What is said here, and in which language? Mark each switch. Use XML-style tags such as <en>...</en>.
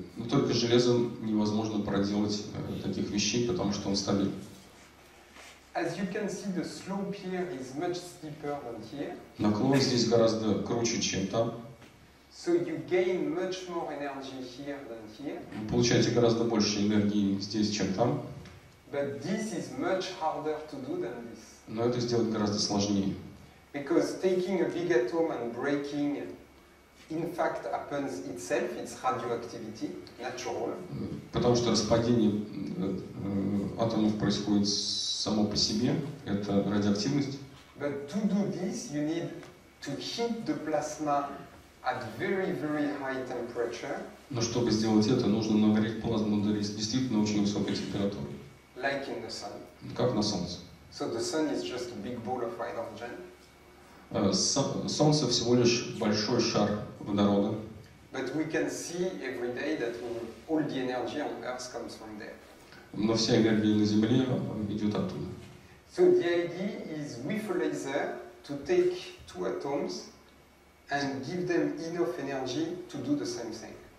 <ru>Только железом невозможно проделать таких вещей, потому что он стабилен.</ru> <en>As you can see, the slope here is much steeper than here.</en> <ru>Наклон здесь гораздо круче, чем там.</ru> <en>So you gain much more energy here than here.</en> <ru>Вы получаете гораздо больше энергии здесь, чем там.</ru> <en>But this is much harder to do than this.</en> <ru>Но это сделать гораздо сложнее.</ru> <en>Because taking a big atom and breaking, in fact, happens itself. It's radioactivity, natural.</en> <ru>Потому что распадение атомов происходит само по себе. Это радиоактивность.</ru> <en>But to do this, you need to heat the plasma at very, very high temperature.</en> <ru>Но чтобы сделать это, нужно нагреть плазму до действительно очень высокой температуры.</ru> <en>Like in the sun.</en> <ru>Как на солнце.</ru> <en>So the sun is just a big ball of hydrogen.</en> <ru>Солнце всего лишь большой шар водорода.</ru> <en>But we can see every day that all the energy on Earth comes from there.</en> <ru>Но вся энергия на Земле идет оттуда.</ru> <en>So the idea is with a laser to take two atoms and give them enough energy to do the same thing.</en>